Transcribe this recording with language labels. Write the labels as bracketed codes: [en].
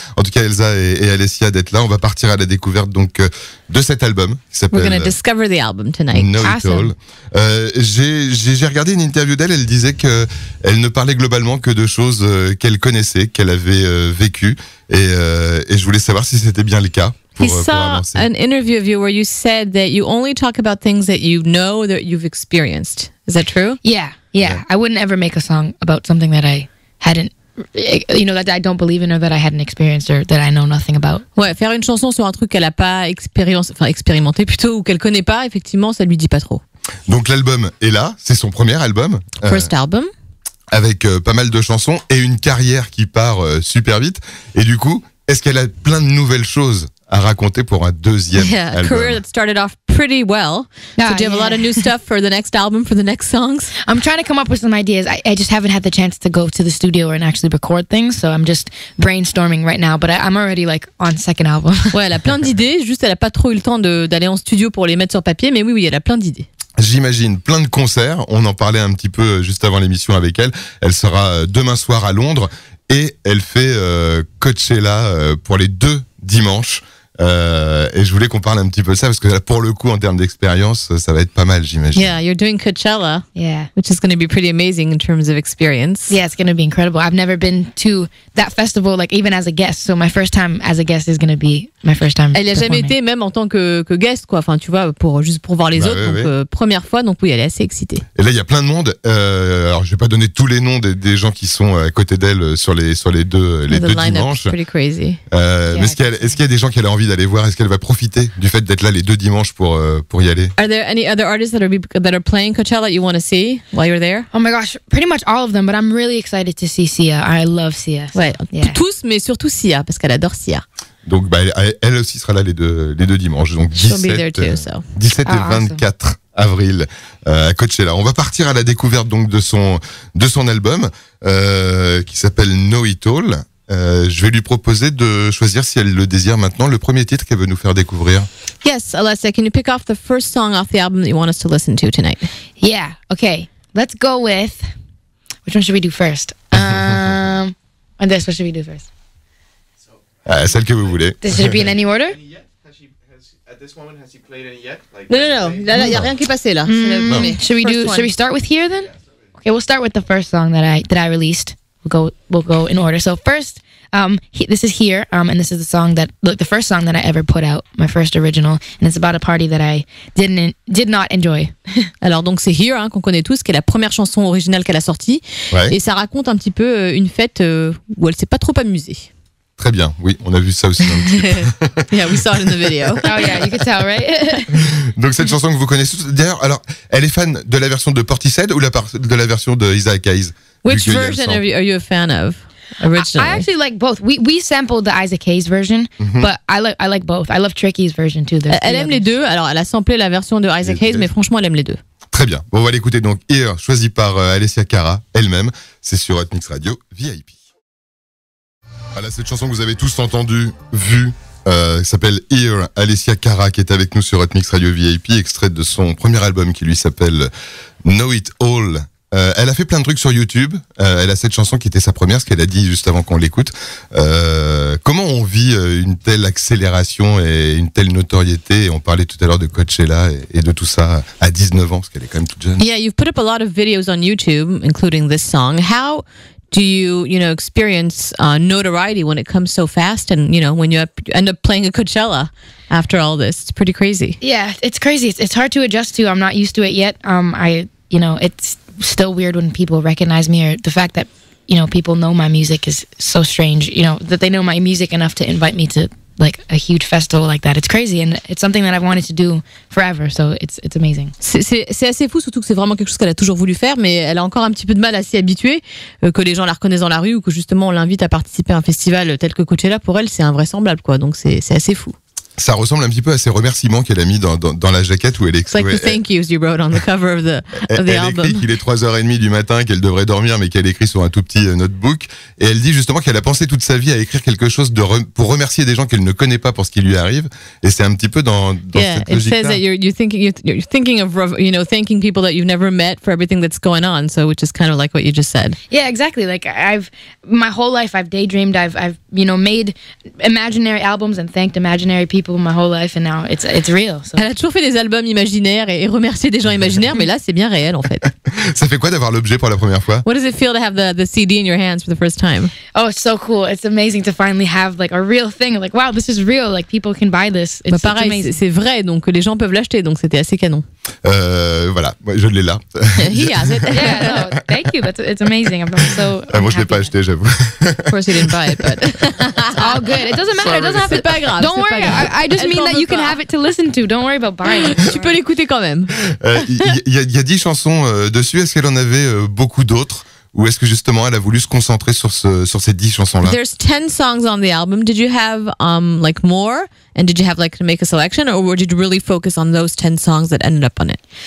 [fr] En tout cas, Elsa et Alessia d'être là. On va partir à la découverte donc de cet album qui s'appelle. [en] We're gonna discover the album tonight. [fr] Know awesome. It All. J'ai regardé une interview d'elle. Elle disait que elle ne parlait globalement que de choses qu'elle connaissait, qu'elle avait vécues. Et je voulais savoir si c'était bien le cas. [en] He saw an interview of you where you said that you only talk about things that you know that you've experienced. Is that true? Yeah. I wouldn't ever make a song about something that I hadn't, you know, that I don't believe in or that I hadn't experienced or that I know nothing about. [fr] Ouais, faire une chanson sur un truc qu'elle a pas expérimenté plutôt ou qu'elle connaît pas, effectivement, ça lui dit pas trop. Donc l'album est là, c'est son premier album. [en] First album. [fr] Avec pas mal de chansons et une carrière qui part super vite. Et du coup, est-ce qu'elle a plein de nouvelles choses à raconter pour un deuxième [en] album. Yeah, career that started off pretty well. Ah, so do you have a lot of new stuff for the next album, for the next songs? I'm trying to come up with some ideas. I just haven't had the chance to go to the studio and actually record things, so I'm just brainstorming right now, but I'm already like on second album. [fr] Ouais, elle a plein d'idées, juste elle a pas trop eu le temps d'aller en studio pour les mettre sur papier, mais oui, elle a plein d'idées. J'imagine plein de concerts, on en parlait un petit peu juste avant l'émission avec elle. Elle sera demain soir à Londres et elle fait Coachella pour les deux dimanches. Et je voulais qu'on parle un petit peu de ça parce que pour le coup, en termes d'expérience, ça va être pas mal, j'imagine. [en] Yeah, you're doing Coachella. Yeah, which is going to be pretty amazing in terms of experience. Yeah, it's going to be incredible. I've never been to that festival, like even as a guest. So my first time as a guest is going to be my first time. [fr] Elle n'a jamais été même en tant que guest, quoi. Enfin, tu vois, juste pour voir les autres. Oui, donc première fois, donc oui, elle est assez excitée. Et là, il y a plein de monde. Alors, je vais pas donner tous les noms des gens qui sont à côté d'elle sur les deux dimanches. [en] Pretty crazy. [fr] Est-ce qu'il y a des gens qu'elle a envie d'aller voir, est-ce qu'elle va profiter du fait d'être là les deux dimanches pour y aller? [en] Are there any other artists that are playing Coachella that you want to see while you're there? Oh my gosh, pretty much all of them, but I'm really excited to see Sia. I love Sia. [fr] Tous, mais surtout Sia, parce qu'elle adore Sia. Donc elle aussi sera là les deux dimanches, donc 17 et 24 avril à Coachella. On va partir à la découverte donc de son album qui s'appelle Know It All. Je vais lui proposer de choisir, si elle le désire maintenant, le premier titre qu'elle veut nous faire découvrir. [en] Yes, Alessia, can you pick off the first song off the album that you want us to listen to tonight? Yeah, okay. Let's go with... Which one should we do first? And this, what should we do first? [fr] Celle que vous voulez. [en] Does it be in any order? At this moment, has he played any yet? No. [fr] Il n'y a rien qui est passé, là. [en] Should we start with here, then? Yeah, okay, we'll start with the first song that I released. We'll go in order. So first, this is Here, and this is the first song that I ever put out, my first original, and it's about a party that I did not enjoy. [fr] Alors donc c'est Here, hein, qu'on connaît tous, qui est la première chanson originale qu'elle a sortie, ouais. Et ça raconte un petit peu une fête où elle s'est pas trop amusée. Très bien, oui, on a vu ça aussi dans le clip. [en] Yeah, we saw it in the video. Oh yeah, you can tell, right? [fr] Donc cette chanson que vous connaissez tous, d'ailleurs, alors, elle est fan de la version de Portishead ou de la version de Isaac Hayes? [en] Which version are you a fan of originally? I actually like both. We sampled the Isaac Hayes version, mm-hmm. but I like both. I love Tricky's version too. [fr] Elle aime les deux. Alors elle a samplé la version de Isaac Hayes, mais franchement elle aime les deux. Très bien. Bon, on va l'écouter donc. Here, choisi par Alessia Cara elle-même. C'est sur Hot Mix Radio VIP. Voilà cette chanson que vous avez tous entendue, vue. S'appelle Here, Alessia Cara, qui est avec nous sur Hot Mix Radio VIP, extrait de son premier album qui lui s'appelle Know It All. Elle a fait plein de trucs sur YouTube. Elle a cette chanson qui était sa première, ce qu'elle a dit juste avant qu'on l'écoute. Comment on vit une telle accélération et une telle notoriété? On parlait tout à l'heure de Coachella et de tout ça à 19 ans, parce qu'elle est quand même toute jeune. [en] Yeah, you've put up a lot of videos on YouTube, including this song. How do you, you know, experience notoriety when it comes so fast and, you know, when you end up playing a Coachella after all this? It's pretty crazy. Yeah, it's crazy. It's hard to adjust to. I'm not used to it yet. I, you know, it's still weird when people recognize me, or the fact that, you know, people know my music is so strange, you know, that they know my music enough to invite me to like a huge festival like that. It's crazy, and it's something that I've wanted to do forever, so it's amazing. [fr] C'est assez fou, surtout que c'est vraiment quelque chose qu'elle a toujours voulu faire, mais elle a encore un petit peu de mal à s'y habituer, que les gens la reconnaissent dans la rue ou que justement on l'invite à participer à un festival tel que Coachella. Pour elle, c'est invraisemblable, quoi, donc c'est assez fou. Ça ressemble un petit peu à ces remerciements qu'elle a mis dans la jaquette où elle écrit. [en] It's like the thank yous you wrote on the cover of the album. [fr] Elle écrit qu'il est 3h30 du matin, qu'elle devrait dormir, mais qu'elle écrit sur un tout petit notebook. Et elle dit justement qu'elle a pensé toute sa vie à écrire quelque chose pour remercier des gens qu'elle ne connaît pas pour ce qui lui arrive. Et c'est un petit peu dans cette logique-là. [en] Yeah, it says that you're thinking of, you know, thanking people that you've never met for everything that's going on. So which is kind of like what you just said. Yeah, exactly. Like my whole life I've daydreamed. I've you know made imaginary albums and thanked imaginary people. My whole life, and now it's real. So. [fr] Elle a toujours fait des albums imaginaires et remercié des gens imaginaires, mais là c'est bien réel en fait. Ça fait quoi d'avoir l'objet pour la première fois? [en] What does it feel to have the CD in your hands for the first time? Oh, it's so cool! It's amazing to finally have like a real thing. Like wow, this is real. Like people can buy this. It's [fr] bah pareil, c'est vrai, donc les gens peuvent l'acheter, donc c'était assez canon. Voilà, je l'ai là. [en] He has it. Yeah, no, thank you. That's it's amazing. I'm so. [fr] Ah, moi je l'ai pas acheté, j'avoue. [en] Of course, he didn't buy it, but it's all good. It doesn't matter. Sorry. It doesn't have to. [fr] Pas grave. [en] Don't worry. I just mean that you can have it to listen to. Don't worry about buying it. [fr] Tu peux l'écouter quand même. Il y a 10 chansons dessus. Est-ce qu'elle en avait beaucoup d'autres? Ou est-ce que justement elle a voulu se concentrer sur ces 10 chansons-là? [en] There's 10 songs on the album. Did you have like more? And did you have like to make a selection? Or did you really focus on those 10 songs that ended up on it?